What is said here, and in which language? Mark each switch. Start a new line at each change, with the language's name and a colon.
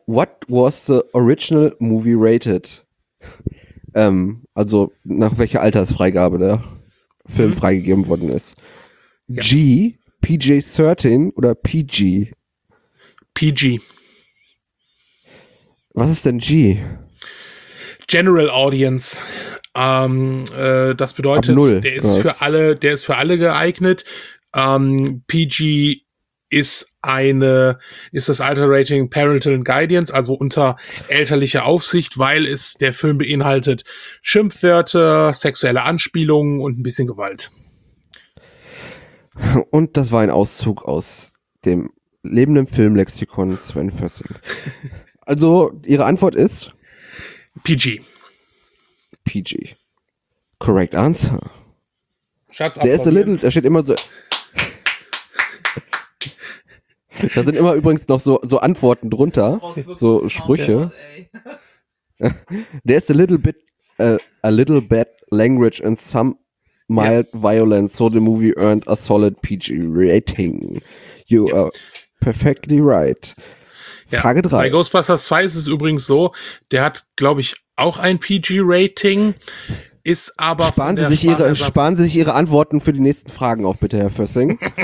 English: What was the original movie rated?
German: Also nach welcher Altersfreigabe der Film freigegeben worden ist. Ja. G, PG-13 oder PG? PG. Was ist denn G?
English: General Audience.
German: Das bedeutet, der ist für alle geeignet. PG ist das Alter Rating Parental Guidance, also unter elterlicher Aufsicht, weil es der Film beinhaltet Schimpfwörter, sexuelle Anspielungen und ein bisschen Gewalt. Und das war ein Auszug aus dem lebenden Filmlexikon Sven Fössing. Also, Ihre Antwort ist? PG.
English: PG. Correct answer.
German: Schatz, der ist
English: a little,
German: da steht immer so. Da sind immer übrigens noch so Antworten drunter, so Sprüche.
English: There is a little bit language and some mild violence, so the movie earned a solid PG rating. You are perfectly right.
German: Ja. Frage 3. Bei Ghostbusters 2 ist es übrigens so, der hat, glaube ich, auch ein PG rating. Ist aber. Sparen Sie sich Ihre Antworten für die nächsten Fragen auf, bitte, Herr Fössing.